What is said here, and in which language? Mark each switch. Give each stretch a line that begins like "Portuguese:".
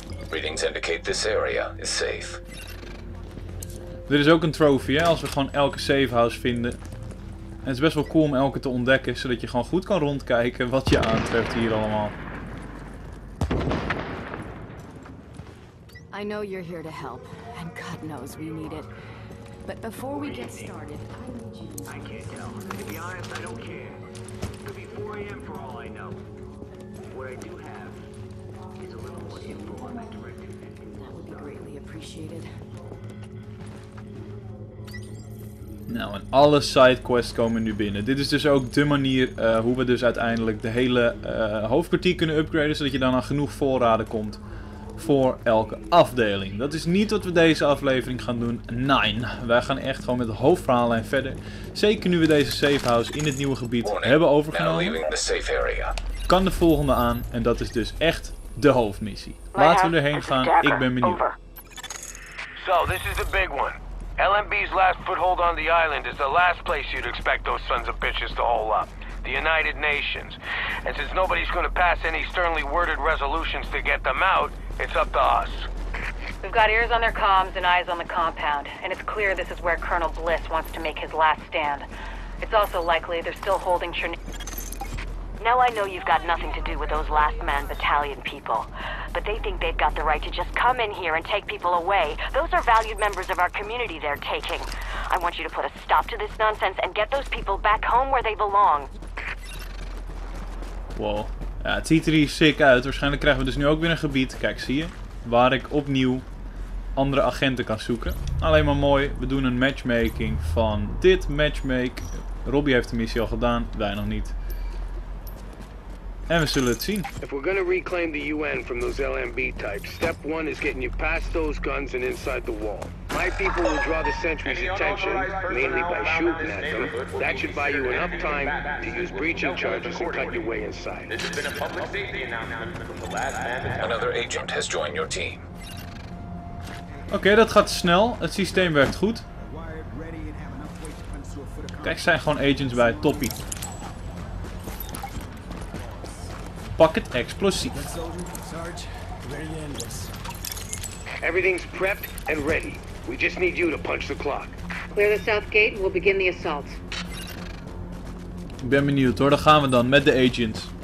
English: Readings indicate this area is safe.
Dutch: Dit is ook een trophy, hè, als we gewoon elke safehouse vinden. En het is best wel cool om elke te ontdekken, zodat je gewoon goed kan rondkijken wat je aantreft hier allemaal.
English: I know you're here to help, and God knows we need it. But before we get started, I can't tell. To be honest, I don't care. It could be 4 a.m. for all I know. What I do have is a little more info on my directive. That would be greatly appreciated.
Dutch: Nou, en alle sidequests komen nu binnen. Dit is dus ook de manier hoe we dus uiteindelijk de hele hoofdkwartier kunnen upgraden. Zodat je dan aan genoeg voorraden komt voor elke afdeling. Dat is niet wat we deze aflevering gaan doen. Nein, wij gaan echt gewoon met de hoofdverhaallijn verder. Zeker nu we deze safehouse in het nieuwe gebied hebben overgenomen. Kan de volgende aan en dat is dus echt de hoofdmissie. Laten we erheen gaan, ik ben benieuwd.
English: So, this is the big one. LMB's last foothold on the island is the last place you'd expect those sons of bitches to hole up. The United Nations. And since nobody's going to pass any sternly worded resolutions to get them out, it's up to us. We've got ears on their comms and eyes on the compound, and it's clear this is where Colonel Bliss wants to make his last stand. It's also likely they're still holding Now I know you've got nothing to do with those last man battalion people, but they think they've got the right to just come in here and take people away. Those are valued members of our community they're taking. I want you to put a stop to this nonsense and get those people back home where they belong. Wow.
Dutch: Ja, het ziet er hier sick uit. Waarschijnlijk krijgen we dus nu ook weer een gebied, kijk, zie je, waar ik opnieuw andere agenten kan zoeken. Alleen maar mooi, we doen een matchmaking van dit matchmake. Robbie heeft de missie al gedaan, wij nog niet. En we zullen het zien.
English: If we're gonna reclaim the UN from those LMB types, step one is getting you past those guns and inside the wall. My people will draw the sentries' attention, mainly by shooting at them. That should buy you enough time to use breaching charges and cut your way inside. This has been a public safety announcement from the last man. Another agent has joined your team.
Dutch: Oké, dat gaat snel. Het systeem werkt goed. Kijk, zijn gewoon agents bij Toppie. Pak het explosief.
English: Everything's prepped and ready. We just need you to punch the clock. Clear the south gate and we'll begin the assault.
Dutch: Ik ben benieuwd hoor, daar gaan we dan met de agents.